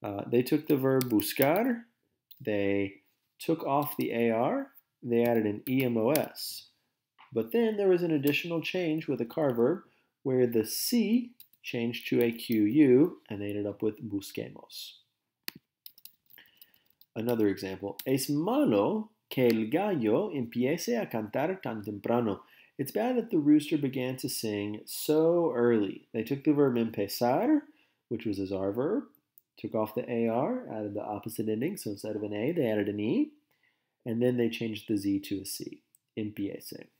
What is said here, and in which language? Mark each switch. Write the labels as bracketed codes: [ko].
[en] They took the verb buscar. They took off the AR. They added an EMOS. But then there was an additional change with a car verb where the C changed to a QU and they ended up with busquemos. Another example. [es] Es malo que el gallo empiece a cantar tan temprano. [en] It's bad that the rooster began to sing so early. They took the verb empezar, which was his R verb, took off the AR, added the opposite ending, so instead of an A, they added an E, and then they changed the Z to a C. Empiece.